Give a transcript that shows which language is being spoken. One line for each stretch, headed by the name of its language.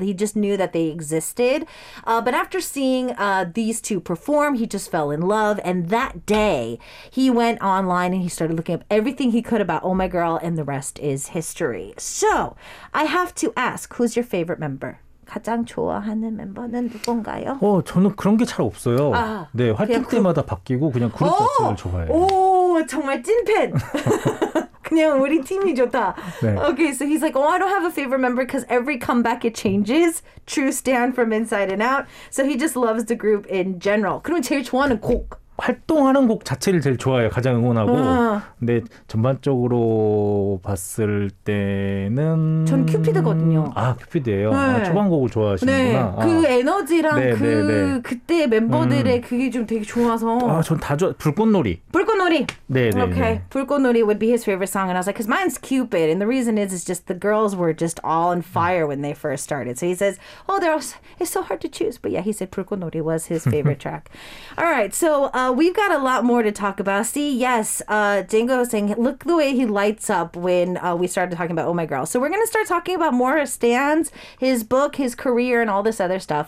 English: He just knew that they existed. But after seeing these two perform, he just fell in love, and that day, he went online and he started looking up everything he could about Oh My Girl, and the rest is history. So, I have to ask, who's your favorite member?
Korean: 가장 좋아하는 멤버는 누군가요? 저는 그런 게 잘 없어요. 아, 네, 활동 때마다 바뀌고 그냥 그룹 자체를 좋아해요. 오, 정말 찐팬! 그냥 우리 팀이 좋다. 네.
English: Okay, so he's like, oh, I don't have a favorite member because every comeback it changes. True stan from inside and out. So he just loves the group in general.
Korean: 그럼 제일 좋아하는 곡? 활동하는 곡 자체를 제일 좋아해요. 가장 응원하고. 근데 전반적으로 봤을 때는 전 큐피드거든요. 아, 큐피드예요. 네. 아, 초반 곡을 좋아하시는구나. 네. 그 아. 에너지랑 네, 그 네, 네. 그때 멤버들의 그게 좀 되게 좋아서. 아, 전 다 좋아. 불꽃놀이. 불꽃놀이. 네, 네. 오케이. 네.
English: 불꽃놀이 would be his favorite song and I was like cuz mine's Cupid and the reason is just the girls were just all on fire when they first started. So he says, "Oh, they're all, it's so hard to choose." But yeah, he said 불꽃놀이 was his favorite track. All right. So we've got a lot more to talk about. See, yes, Django was saying, look the way he lights up when we started talking about Oh My Girl. So we're going to start talking about more stands, his book, his career, and all this other stuff.